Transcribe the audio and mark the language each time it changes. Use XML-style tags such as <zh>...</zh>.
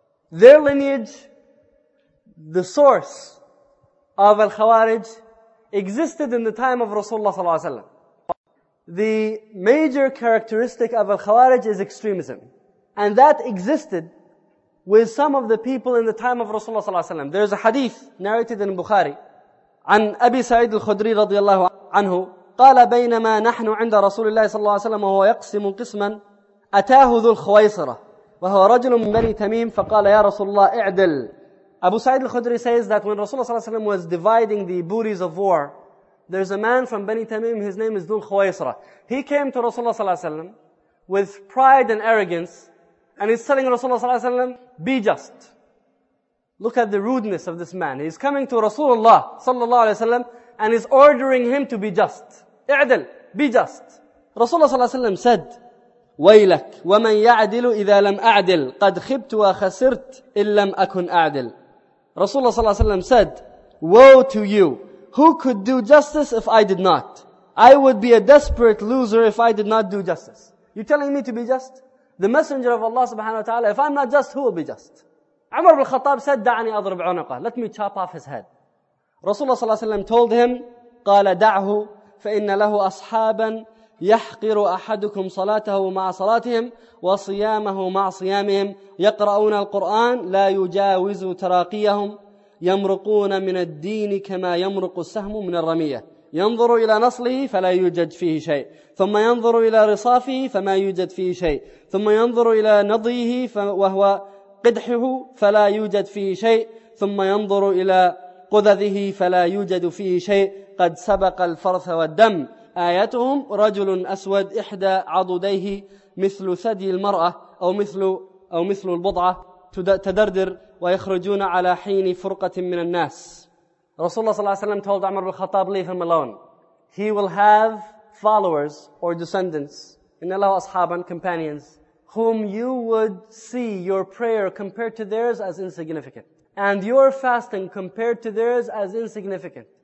<en>Their lineage, the source of Al-Khawarij, existed in the time of Rasulullah sallallahu alaihi wasallam. The major characteristic of Al-Khawarij is extremism. And that existed with some of the people in the time of Rasulullah sallallahu alaihi wasallam. There's a hadith narrated in Bukhari</en> <ar>عن أبي سعيد الخدري رضي الله عنه قال بينما نحن عند رسول الله صلى الله عليه وسلم وهو يقسم قسما أتاه ذو الخويصرة وهو رجل من بني تميم فقال يا رسول الله اعدل.</ar> <en>Abu Sa'id al-Khudri says that when Rasulullah sallallahu alayhi wa sallam was dividing the booties of war, there's a man from Bani Tamim, his name is Dhul Khwaisra. He came to Rasulullah sallallahu alayhi wa sallam with pride and arrogance, and he's telling Rasulullah sallallahu alayhi wa sallam, be just. Look at the rudeness of this man. He's coming to Rasulullah sallallahu alayhi wa sallam and he's ordering him to be just. I'dil, be just. Rasulullah sallallahu alayhi wa sallam said,</en> <ar>وَيْلَكْ وَمَنْ يَعْدِلُ إِذَا لَمْ أَعْدِلْ قَدْ خِبْتُ وَخَسِرْتْ إِلَّمْ أَكُنْ أَعْدِلْ.</ar> <en>Rasulullah sallallahu alayhi wa sallam said, woe to you, who could do justice if I did not? I would be a desperate loser if I did not do justice. You're telling me to be just? The Messenger of Allah subhanahu wa ta'ala, if I'm not just, who will be just? Umar ibn al-Khattab said,</en> <ar>دَعْنِي أَضْرِبْ عُنَقَهُ.</ar> <en>Let me chop off his head. Rasulullah sallallahu alayhi wa sallam told him,</en> <ar>قَالَ دَعْهُ فَإِنَّ لَهُ أَصْحَابًا يحقر أحدكم صلاته مع صلاتهم وصيامه مع صيامهم يقرؤون القرآن لا يجاوز تراقيهم يمرقون من الدين كما يمرق السهم من الرمية ينظر إلى نصله فلا يوجد فيه شيء ثم ينظر إلى رصافه فما يوجد فيه شيء ثم ينظر إلى نضيه وهو قدحه فلا يوجد فيه شيء ثم ينظر إلى قذذه فلا يوجد فيه شيء قد سبق الفرث والدم آياتهم رجل أسود إحدى عضديه مثل ثدي المرأة أو مثل البضعة تدردر ويخرجون على حين فرقة من الناس.</ar> <en>Rasulullah sallallahu alayhi wa sallam told Umar bin Khattab, leave him alone. He will have followers or descendants,</en> <ar>إن الله أصحاباً,</ar> <en>companions, whom you would see your prayer compared to theirs as insignificant, and your fasting compared to theirs as insignificant.</en>